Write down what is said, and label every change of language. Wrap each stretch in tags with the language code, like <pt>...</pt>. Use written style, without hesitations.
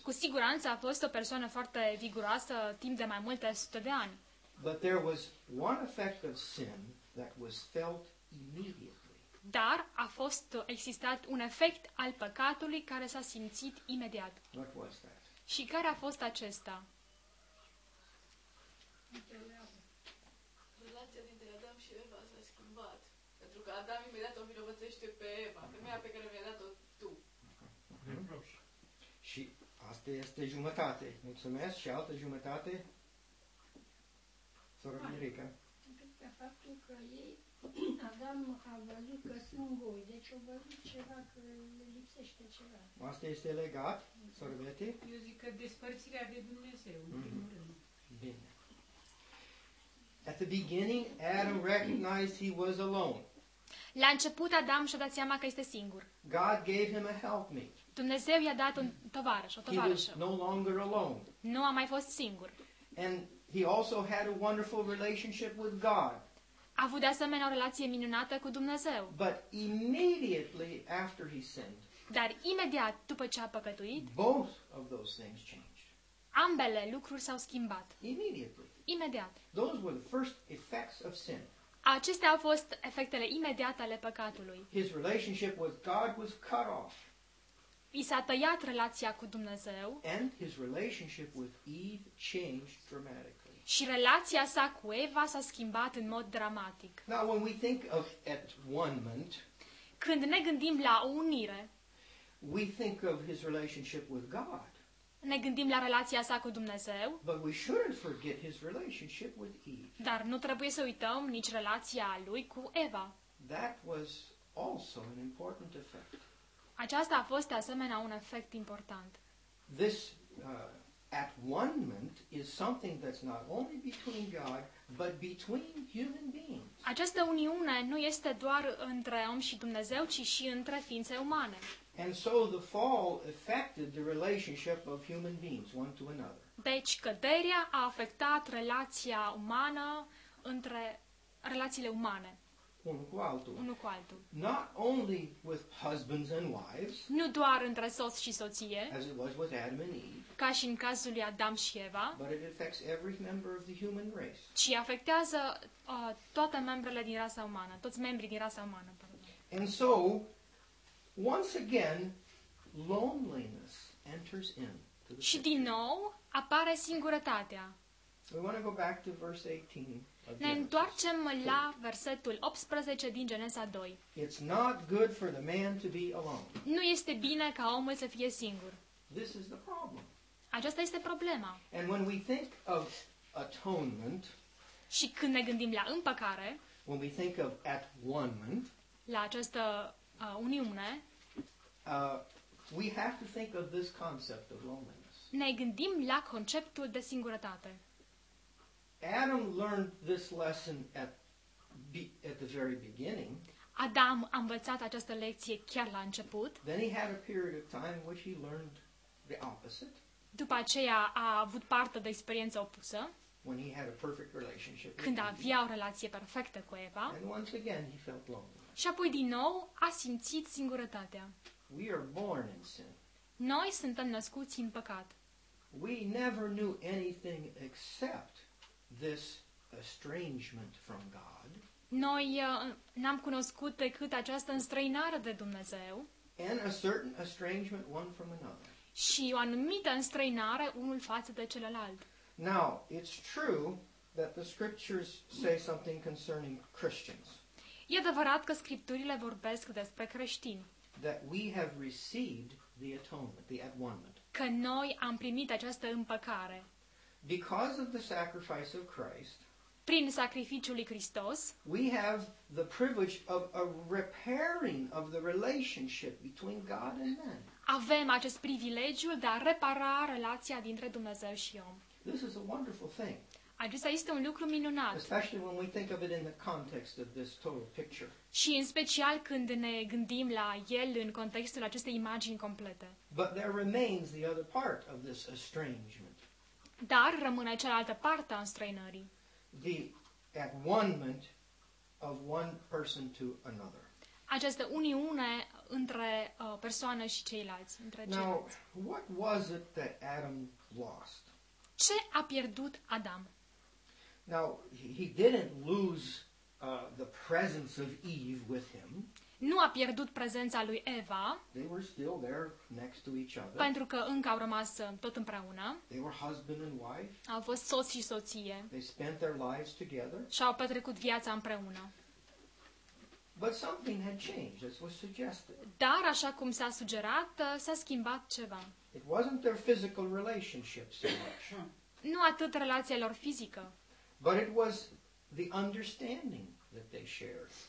<ro>Cu siguranță a fost o persoană foarte viguroasă timp de mai multe sute de ani.</ro> <en>But there was one effect of sin that was felt immediately.</en> <ro>Dar a fost existat un efect al păcatului care s-a simțit imediat.</ro> <en>What was that?</en> <ro>Și care a fost acesta? Relația dintre Adam și Eva s-a schimbat. Pentru că Adam imediat o vinovățește pe Eva, femeia pe care mi-a dat-o tu. Și asta este jumătate. Mulțumesc. Și altă jumătate? Sora Mirica. Cred că faptul că ei Adam a văzut că sunt goi, deci a văzut ceva, că le lipsește ceva. Asta este legat, sorbete? Eu zic că despărțirea de Dumnezeu, în primul rând. Bine.</ro> <en>At the beginning, Adam recognized he was alone.</en> <ro>La început, Adam și-a dat seama că este singur.</ro> <en>God gave him a helpmate.</en> <ro>Dumnezeu i-a dat un tovarăș, o tovarășă.</ro> <en>He was no longer alone.</en> <ro>Nu a mai fost singur.</ro> <en>And he also had a wonderful relationship with God.</en> <ro>A avut de asemenea o relație minunată cu Dumnezeu.</ro> <en>But immediately after he sinned,</en> <ro>dar imediat după ce a păcătuit,</ro> <en>both of those things changed.</en> <ro>Ambele lucruri s-au schimbat. Imediat.</ro> <en>Those were the first effects of sin.</en> <ro>Acestea au fost efectele imediate ale păcatului.</ro> <en>His relationship with God was cut off.</en> <ro>I s-a tăiat relația cu Dumnezeu.</ro> <en>And his relationship with Eve changed dramatically.</en> <ro>Și relația sa cu Eva s-a schimbat în mod dramatic.</ro> <en>Now when we think of atonement,</en> <ro>când ne gândim la unire,</ro> <en>we think of his relationship with God.</en> <ro>Ne gândim la relația sa cu Dumnezeu.</ro> <en>But we shouldn't forget his relationship with Eve.</en> <ro>Dar nu trebuie să uităm nici relația lui cu Eva.</ro> <en>That was also an important effect.</en> <ro>Aceasta a fost de asemenea un efect important.</ro> <en>This at-one-ment is something that's not only between God, but between human beings.</en> <ro>Această uniune nu este doar între om și Dumnezeu, ci și între ființe umane.</ro> <en>And so the fall affected the relationship of human beings one to another.</en> <ro>Deci căderea a afectat relația umană între relațiile umane. Unul cu altul. Unul cu altul.</ro> <en>Not only with husbands and wives.</en> <ro>Nu doar între soț și soție.</ro> <en>As it was with Adam and Eve.</en> <ro>Ca și în cazul lui Adam și Eva.</ro> <en>But it affects every member of the human race.</en> <ro>Ci afectează toate membrele din rasa umană, toți membrii din rasa umană.</ro> <en>And so once again, loneliness enters in.</en> <ro>Și din nou apare singurătatea.</ro> <en>We want to go back to verse 18.</en> <ro>Ne întoarcem la versetul 18 din Genesa 2.</ro> <en>It's not good for the man to be alone.</en> <ro>Nu este bine ca omul să fie singur.</ro> <en>This is the problem.</en> <ro>Aceasta este problema.</ro> <en>And when we think of atonement,</en> <ro>și când ne gândim la împăcare,</ro> <en>when we think of at-one-ment,</en> <ro>la această uniune,</ro> <en>we have to think of this concept of loneliness.</en> <ro>Ne gândim la conceptul de singurătate.</ro> <en>Adam learned this lesson at the very beginning.</en> <ro>Adam a învățat această lecție chiar la început.</ro> <en>Then he had a period of time in which he learned the opposite.</en> <ro>După aceea a avut parte de experiența opusă.</ro> <en>When he had a perfect relationship.</en> <ro>Când avea o relație perfectă cu Eva.</ro> <en>And once again he felt lonely.</en> <ro>Și apoi din nou a simțit singurătatea.</ro> <en>We are born in sin.</en> <ro>Noi suntem născuți în păcat.</ro> <en>We never knew anything except this estrangement from God.</en> <ro>Noi n-am cunoscut decât această înstrăinare de Dumnezeu.</ro> <en>And a certain estrangement one from another.</en> <ro>Și o anumită înstrăinare unul față de celălalt.</ro> <en>Now, it's true that the scriptures say something concerning Christians.</en> <ro>E adevărat că scripturile vorbesc despre creștini.</ro> <en>That we have received the atonement, the at-one-ment.</en> <ro>Că noi am primit această împăcare.</ro> <en>Because of the sacrifice of Christ,</en> <ro>prin sacrificiul lui Hristos,</ro> <en>we have the privilege of a repairing of the relationship between God and man.</en> <ro>Avem acest privilegiu de a repara relația dintre Dumnezeu și om.</ro> <en>This is a wonderful thing.</en> <ro>Acesta este un lucru minunat.</ro> <en>Especially when we think of it in the context of this total picture.</en> <ro>Și în special când ne gândim la el în contextul acestei imagini complete.</ro> <en>But there remains the other part of this estrangement.</en> <ro>Dar rămâne cealaltă parte a înstrăinării.</ro> <en>The at-one-ment of one person to another.</en> <ro>Această uniune între persoană și ceilalți, între ceilalți.</ro> <en>Now, what was it that Adam lost?</en> <ro>Ce a pierdut Adam?</ro> <en>Now, he didn't lose the presence of Eve with him.</en> <ro>Nu a pierdut prezența lui Eva.</ro> <en>They were still there next to each other.</en> <ro>Pentru că încă au rămas tot împreună.</ro> <en>They were husband and wife.</en> <ro>Au fost soț și soție.</ro> <en>They spent their lives together.</en> <ro>Și-au petrecut viața împreună.</ro> <en>But something had changed, as was suggested.</en> <ro>Dar așa cum s-a sugerat, s-a schimbat ceva.</ro> <en>It wasn't their physical relationship so much.</en> <ro>Nu atât relația lor fizică.</ro> <en>But it was the understanding that they shared.</en>